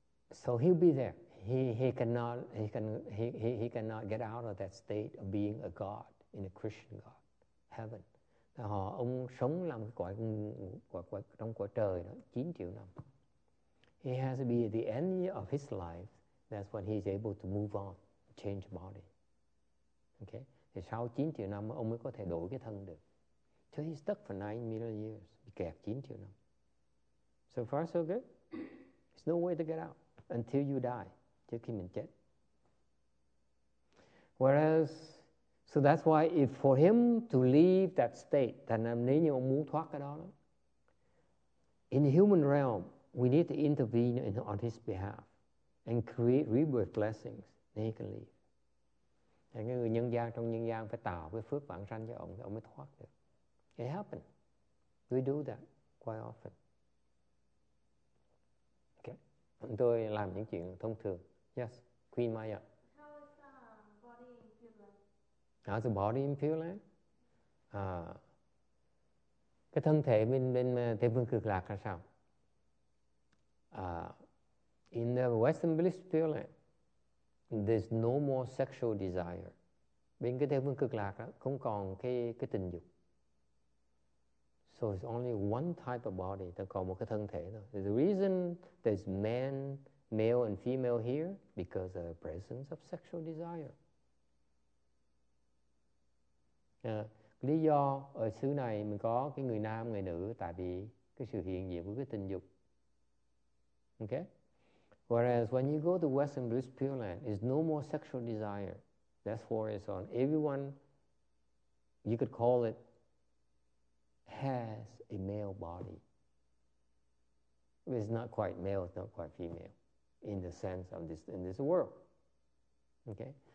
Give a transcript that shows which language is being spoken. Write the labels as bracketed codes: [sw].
[en] So he'll be there. He cannot get out of that state of being a god in a Christian god heaven. [vi] Họ ông sống làm cõi trong cõi trời đó 9 triệu năm. [en] He has to be at the end of his life. That's when he's able to move on, change body. Okay. [vi] Thì sau 9 triệu năm ông mới có thể đổi cái thân được. [en] So he's stuck for 9 million years. [vi] Bị kẹt 9 triệu năm. [en] So far so good. There's no way to get out until you die. [vi] Trước khi mình chết. [en] Whereas, so that's why if for him to leave that state, [vi] thành ra nếu như ông muốn thoát cái đó, đó, [en] in the human realm, we need to intervene on his behalf and create rebirth blessings. Then he can leave. [vi] Cái người nhân gian trong nhân gian phải tạo cái phước vãng sanh cho ông thì ông mới thoát được. [en] It happened. We do that quite often. [vi] Okay. Tôi làm những chuyện thông thường. [en] Yes, Queen Maya. How is the body in Pure Land? How's the body in Pure Land? [vi] Cái thân thể bên Tây phương cực lạc là sao? [en] In the Western Bliss Pure Land, there's no more sexual desire. [vi] Bên cái Tây phương cực lạc đó, không còn cái tình dục. [en] So it's only one type of body. [vi] Ta còn một cái thân thể thôi. [en] The reason there's man, male and female here because of the presence of sexual desire. [vi] Lý do ở xứ này mình có cái người nam, người nữ tại vì cái sự hiện diện của cái tình dục. [en] Okay? Whereas when you go to Western Bliss Pure Land, there's no more sexual desire. That's why it's on. Everyone, you could call it, has a male body. It's not quite male, it's not quite female, in the sense of this, in this world. Okay?